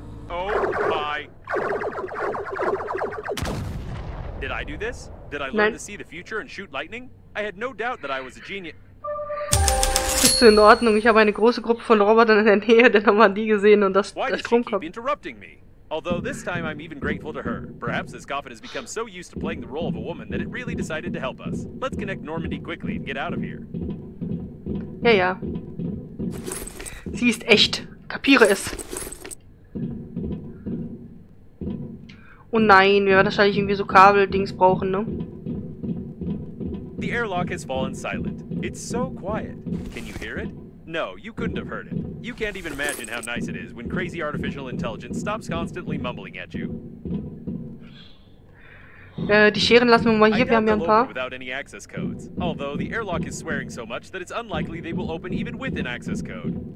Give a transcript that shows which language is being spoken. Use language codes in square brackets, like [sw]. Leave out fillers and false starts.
[en] Oh my... Did I do this? Did I learn to see the future and shoot lightning? I had no doubt that I was a genius. [de] Bist du in Ordnung? Ich habe eine große Gruppe von Robotern in der Nähe, denn haben wir die gesehen und das Stromkopf. [en] Although this time I'm even grateful to her. Perhaps this coffin has become so used to playing the role of a woman that it really decided to help us. Let's connect Normandy quickly and get out of here. [de] Ja. Sie ist echt. Kapiere es. Oh nein, wir werden wahrscheinlich irgendwie so Kabeldings brauchen, ne? [en] The airlock has fallen silent. It's so quiet. Can you hear it? No, you couldn't have heard it. You can't even imagine how nice it is when crazy artificial intelligence stops constantly mumbling at you. [de] Die Scheren lassen wir mal hier, wir haben ja ein paar. [en] Without any access codes. Although the airlock is swearing so much that it's unlikely they will open even with an access code.